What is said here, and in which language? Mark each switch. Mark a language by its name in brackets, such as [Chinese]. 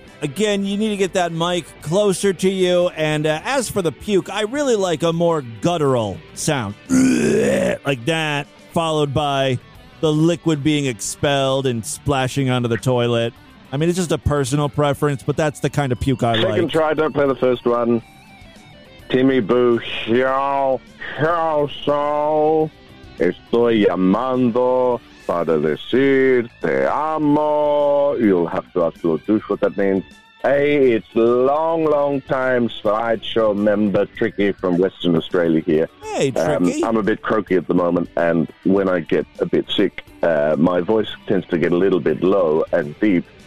[English] Again, you need to get that mic closer to you, and as for the puke, I really like a more guttural sound. Like that, followed by the liquid being expelled and splashing onto the toilet. I mean, it's just a personal preference, but that's the kind of puke I like. Take a try. Don't play the first one. [Spanish] Timmy Booth, [English] y'all, so [Spanish] estoy llamando para decir te amo. [English] You'll have to ask your douche what that means. Hey, it's long, long time slideshow member Tricky from Western Australia here. Hey, Tricky. I'm a bit croaky at the moment, and when I get a bit sick, my voice tends to get a little bit low and deep.